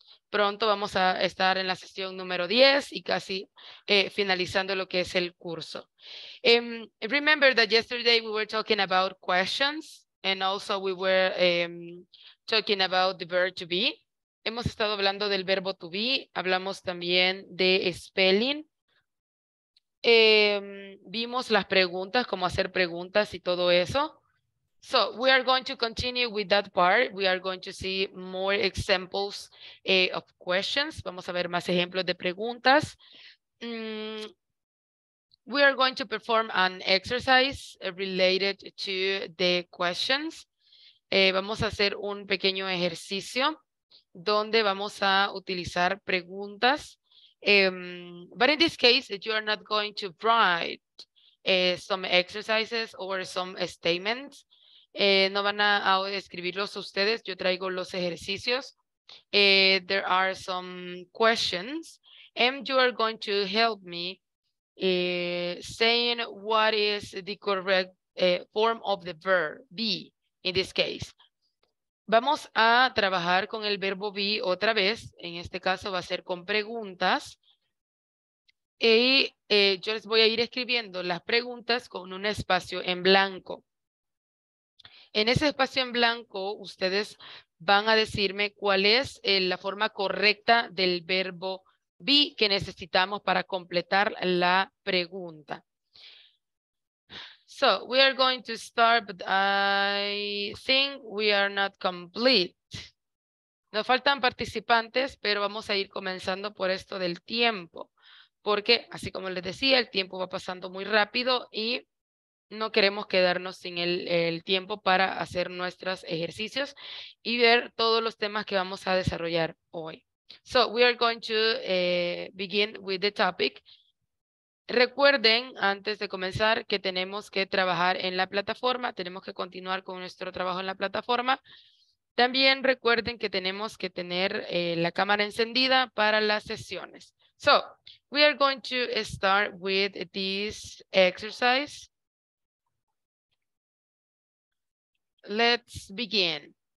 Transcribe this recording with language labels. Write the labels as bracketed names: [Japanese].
[Spanish] Pronto vamos a estar en la sesión número 10 y casi finalizando lo que es el curso. [English] Remember that yesterday we were talking about questions and also we were talking about the verb to be. [Spanish] Hemos estado hablando del verbo to be. Hablamos también de spelling. Vimos las preguntas, cómo hacer preguntas y todo eso. [English] So, we are going to continue with that part. We are going to see more examples of questions. [Spanish] Vamos a ver más ejemplos de preguntas. [English] We are going to perform an exercise related to the questions. [Spanish] Vamos a hacer un pequeño ejercicio donde vamos a utilizar preguntas. [English] But in this case, you are not going to write some exercises or some statements. [Spanish] No van a escribirlos ustedes. Yo traigo los ejercicios. [English] There are some questions. And you are going to help me saying what is the correct form of the verb be in this case. [Spanish] Vamos a trabajar con el verbo be otra vez. En este caso va a ser con preguntas. Y yo les voy a ir escribiendo las preguntas con un espacio en blanco. En ese espacio en blanco, ustedes van a decirme cuál es la forma correcta del verbo be que necesitamos para completar la pregunta. [English] So, we are going to start, but I think we are not complete. [Spanish] Nos faltan participantes, pero vamos a ir comenzando por esto del tiempo. Porque, así como les decía, el tiempo va pasando muy rápido y no queremos quedarnos sin el tiempo para hacer nuestros ejercicios y ver todos los temas que vamos a desarrollar hoy. [English] So, we are going to begin with the topic. [Spanish] Recuerden, antes de comenzar, que tenemos que trabajar en la plataforma, tenemos que continuar con nuestro trabajo en la plataforma. También recuerden que tenemos que tener la cámara encendida para las sesiones. [English] So, we are going to start with this exercise. Let's begin.